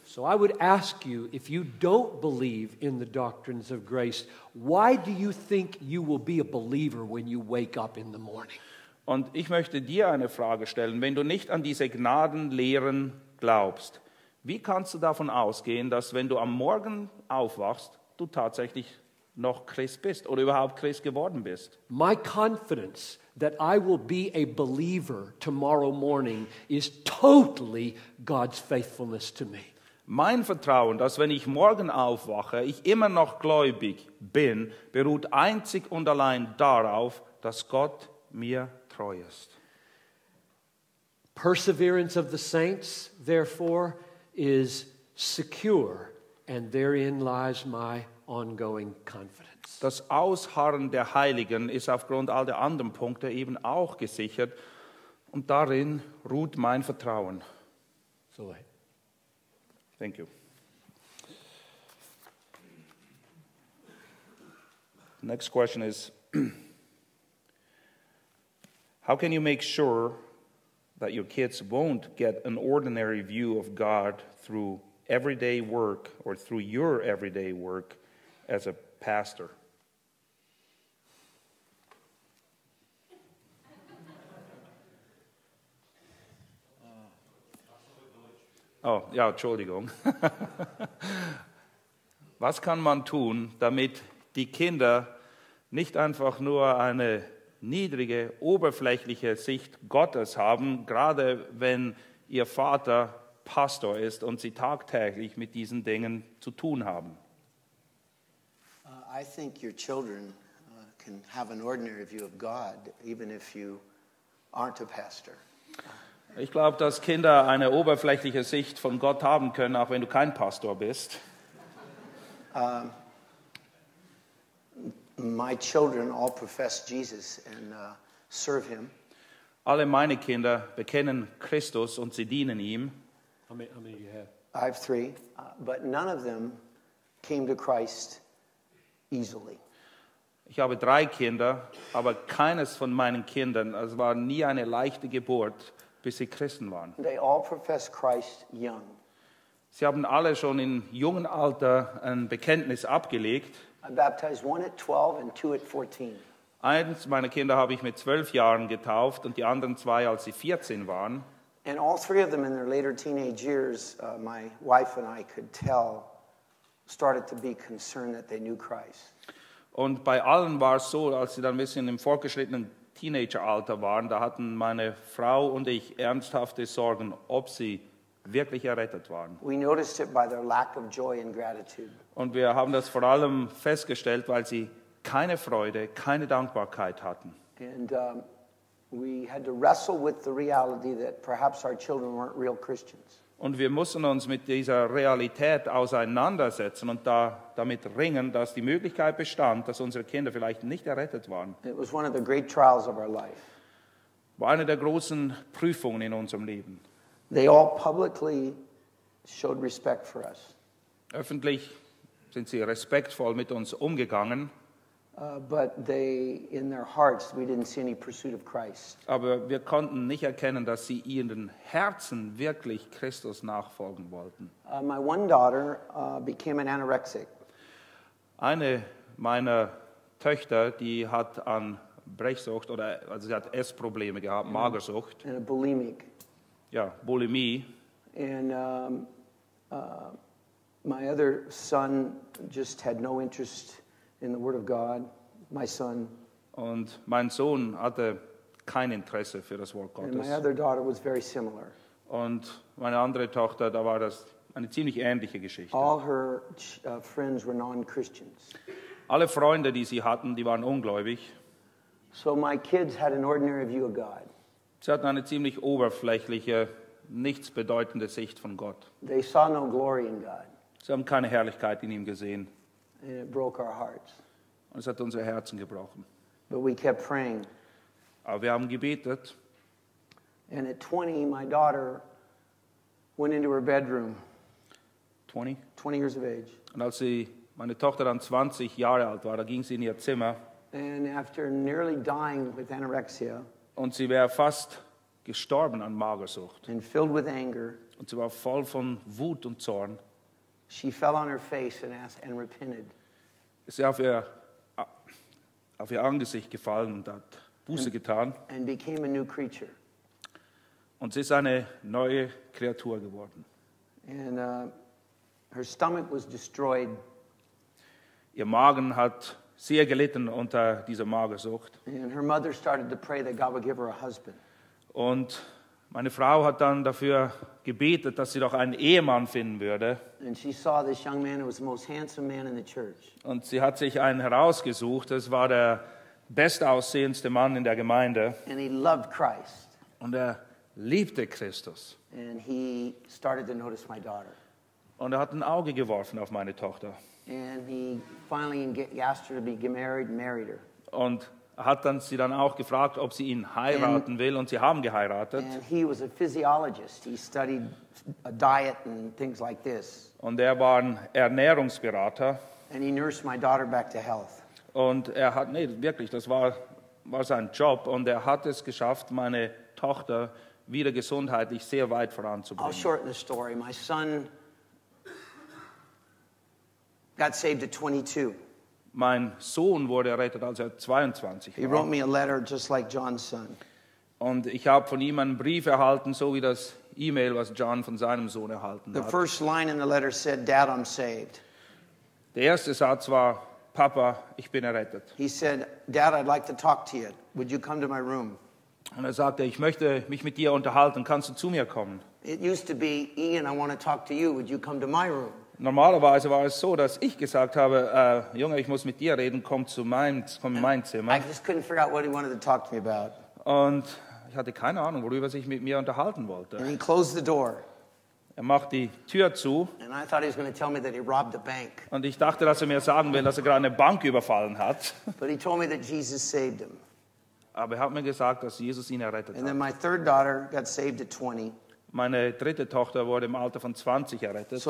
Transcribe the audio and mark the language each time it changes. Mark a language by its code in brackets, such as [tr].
[en] So I would ask you, if you don't believe in the doctrines of grace, why do you think you will be a believer when you wake up in the morning? [de] Und ich möchte dir eine Frage stellen, wenn du nicht an diese Gnadenlehren glaubst, wie kannst du davon ausgehen, dass wenn du am Morgen aufwachst, du tatsächlich noch Christ bist oder überhaupt Christ geworden bist? [en] My confidence that I will be a believer tomorrow morning is totally God's faithfulness to me. [de] Mein Vertrauen, dass wenn ich morgen aufwache, ich immer noch gläubig bin, beruht einzig und allein darauf, dass Gott mir treu ist. [en] Perseverance of the saints, therefore, is secure, and therein lies my ongoing confidence. [de] Das Ausharren der Heiligen ist aufgrund all der anderen Punkte eben auch gesichert, und darin ruht mein Vertrauen. So weit. [en] Thank you. Next question is, how can you make sure that your kids won't get an ordinary view of God through everyday work or through your everyday work as a pastor? [de] Oh, ja, Entschuldigung. Was kann man tun, damit die Kinder nicht einfach nur eine niedrige, oberflächliche Sicht Gottes haben, gerade wenn ihr Vater Pastor ist und sie tagtäglich mit diesen Dingen zu tun haben? [en] I think your children can have an ordinary view of God, even if you aren't a pastor. [de] Ich glaube, dass Kinder eine oberflächliche Sicht von Gott haben können, auch wenn du kein Pastor bist. [en] My children all profess Jesus and serve him. [de] Alle meine Kinder bekennen Christus und sie dienen ihm. [en] How many do you have? I have three, but none of them came to Christ easily. [de] Ich habe drei Kinder, aber keines von meinen Kindern, es war nie eine leichte Geburt, bis sie Christen waren. [en] They all profess Christ young. [de] Sie haben alle schon in jungen Alter ein Bekenntnis abgelegt. [en] I baptized one at 12 and two at 14. [de] Eins meiner Kinder habe ich mit 12 Jahren getauft und die anderen zwei, als sie 14 waren. [en] And all three of them in their later teenage years, my wife and I could tell, started to be concerned that they knew Christ. [de] Und bei allen war es so, als sie dann ein bisschen im fortgeschrittenen Teenageralter waren, da hatten meine Frau und ich ernsthafte Sorgen, ob sie wirklich errettet waren. [en] We noticed it by their lack of joy and gratitude. [de] Und wir haben das vor allem festgestellt, weil sie keine Freude, keine Dankbarkeit hatten. [en] And we had to wrestle with the reality that perhaps our children weren't real Christians. [de] Und wir mussten uns mit dieser Realität auseinandersetzen und damit ringen, dass die Möglichkeit bestand, dass unsere Kinder vielleicht nicht errettet waren. [en] It was one of the great trials of our life. [de] War eine der großen Prüfungen in unserem Leben. [en] They all publicly showed respect for us. [de] Öffentlich sind sie respektvoll mit uns umgegangen. [en] But they, in their hearts, we didn't see any pursuit of Christ. [de] Aber wir konnten nicht erkennen, dass sie ihren Herzen wirklich Christus nachfolgen wollten. [en] My one daughter became an anorexic. [de] Eine meiner Töchter, die hat an Brechsucht oder also sie hat Essprobleme gehabt, Magersucht. [en] And a bulimic. [de] Ja, Bulimie. [en] And my other son just had no interest in the word of God, my son. [de] Und mein Sohn hatte kein Interesse für das Wort Gottes. [en] And my other daughter was very similar. [de] Und meine andere Tochter, da war das eine ziemlich ähnliche Geschichte. [en] All her friends were non-Christians. [de] Alle Freunde, die sie hatten, die waren ungläubig. [en] So my kids had an ordinary view of God. [de] Sie hatten eine ziemlich oberflächliche nichts bedeutende Sicht von Gott. [en] They saw no glory in God. [de] Sie haben keine Herrlichkeit in ihm gesehen. [en] And it broke our hearts. [de] Und es hat unsere Herzen gebrochen. [en] But we kept praying. [de] Aber wir haben gebetet. [en] And at 20, my daughter went into her bedroom. 20? 20 years of age. [de] Und als sie, meine Tochter dann 20 Jahre alt war, da ging sie in ihr Zimmer. [en] And after nearly dying with anorexia. [de] Und sie wäre fast gestorben an Magersucht. [en] And filled with anger. [de] Und sie war voll von Wut und Zorn. [en] She fell on her face and asked and repented. [de] Sie ist auf ihr Angesicht gefallen und hat Buße getan. [en] And became a new creature. [de] Und sie ist eine neue Kreatur geworden. [en] And her stomach was destroyed. [de] Ihr Magen hat sehr gelitten unter dieser Magersucht. [en] And her mother started to pray that God would give her a husband. [de] Und meine Frau hat dann dafür gebetet, dass sie doch einen Ehemann finden würde. [en] And she saw this young man who was the most handsome man in the church. [de] Und sie hat sich einen herausgesucht. Es war der bestaussehendste Mann in der Gemeinde. [en] And he loved Christ. [de] Und er liebte Christus. [en] And he started to notice my daughter. [de] Und er hat ein Auge geworfen auf meine Tochter. [en] And he finally asked her to be married and married her. [de] Und er hat dann sie dann auch gefragt, ob sie ihn heiraten will, und sie haben geheiratet. [en] And he was a physiologist. He studied a diet and things like this. [de] Und er war ein Ernährungsberater. [en] And he nursed my daughter back to health. [de] Und er hat, nee, wirklich, das war sein Job, und er hat es geschafft, meine Tochter wieder gesundheitlich sehr weit voranzubringen. [en] I'll shorten the story. My son got saved at 22. [de] Mein Sohn wurde errettet, als er 22 war. [en] He wrote me a letter just like John's son. [de] Und ich habe von ihm einen Brief erhalten, so wie das E-Mail, was John von seinem Sohn erhalten [en] the [de] hat. [en] The first line in the letter said, "Dad, I'm saved." [de] Der erste Satz war, "Papa, ich bin errettet." [en] He said, "Dad, I'd like to talk to you. Would you come to my room?" [de] Und er sagte, ich möchte mich mit dir unterhalten. Kannst du zu mir kommen? [en] It used to be, "Ian, I want to talk to you. Would you come to my room?" [de] Normalerweise war es so, dass ich gesagt habe, Junge, ich muss mit dir reden, komm in mein Zimmer. [en] I just couldn't figure out what he wanted to talk to me about. [de] Und ich hatte keine Ahnung, worüber sich mit mir unterhalten wollte. [en] And he closed the door. [de] Er macht die Tür zu. [en] And I thought he was going to tell me that he robbed a bank. [de] Und ich dachte, dass er mir sagen will, dass er gerade eine Bank überfallen hat. [en] But he told me that Jesus saved him. [de] Aber er hat mir gesagt, dass Jesus ihn errettet [en] and [de] hat. [en] And then my third daughter got saved at 20. [de] Meine dritte Tochter wurde im Alter von 20 errettet.